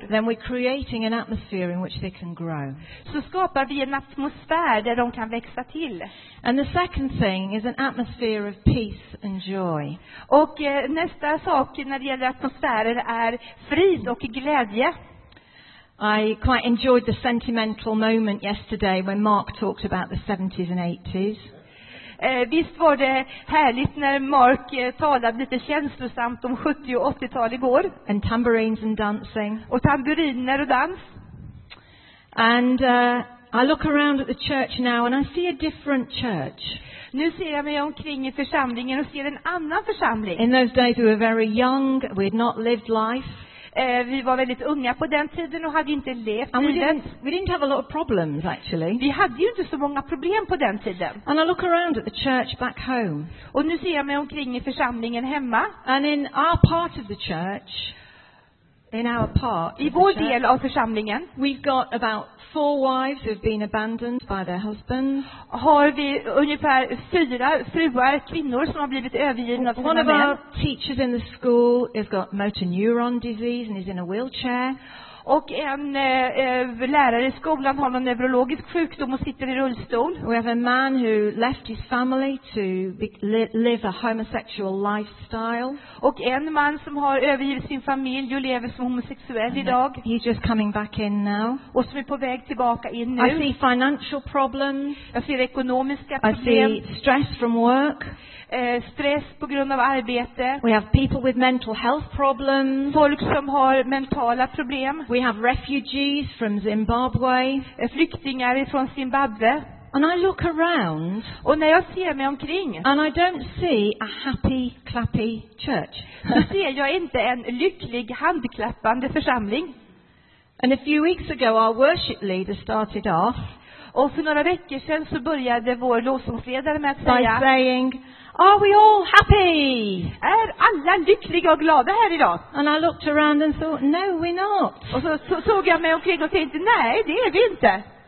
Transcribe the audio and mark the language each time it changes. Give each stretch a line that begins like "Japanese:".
English: Then we're creating an atmosphere in which they can grow.
Swedish: Så skapar vi en atmosfär där de kan växa till.
English: And the second thing is an atmosphere of peace and joy.
Swedish: Och nästa sak när det gäller atmosfären är frid och glädje.
English: I quite enjoyed the sentimental moment yesterday when Mark talked about the 70s and 80s.
Swedish: Visst var det härligt när Mark talade lite känslosamt om 70- och 80-tal igår.
English: And tambourines and dancing.
Swedish: Och tamburiner och dans.
English: And I look around at the church now and I see a different church.
Swedish: Nu ser jag mig omkring i församlingen och ser en annan församling.
English: In those days we were very young, we had not lived life.
Swedish: Vi var väldigt unga på den tiden och hade inte levt.
English: We didn't have a lot of problems actually.
Swedish: Vi hade ju inte så många problem på den tiden.
English: And I look around at the church back home.
Swedish: Och nu ser jag mig omkring i församlingen hemma.
English: And in our part of the church, in our part,
Swedish: i vår del av församlingen,
English: we've got about 4 wives who've been abandoned by their husbands.
Swedish: Har vi ungefär 4 fruar, kvinnor som har blivit övergivna av sina män.
English: One of our teachers in the school has got motor neuron disease and is in a wheelchair.
Swedish: Och en lärare i skolan har en neurologisk sjukdom och sitter i rullstol.
English: We have a man who left his family to live a homosexual lifestyle.
Swedish: Och en man som har övergivit sin familj och lever som homosexuell idag.
English: He's just coming back in now.
Swedish: Och som är på väg tillbaka in nu.
English: I see financial problems.
Swedish: Jag ser ekonomiska problem.
English: I see stress from work.
Swedish: Stress på grund av arbete.
English: We have people with mental health problems.
Swedish: Folk som har mentala problem.
English: We have refugees from Zimbabwe.
Swedish: Flyktingar från Zimbabwe.
English: And I look around.
Swedish: Och när jag ser mig omkring.
English: And I don't see a happy, clappy church.
Swedish: Så ser jag inte en lycklig, handklappande församling.
English: And a few weeks ago, our worship leader started off.
Swedish: Och för några veckor sedan så började vår lovsångsledare med att
English: by
Swedish: säga.
English: By saying, are we all happy?
Swedish: Är alla lyckliga och glada här idag?
English: And I looked around and thought, no, we're not.
Swedish: Och så såg jag mig omkring och tänkte, nej, det är vi inte.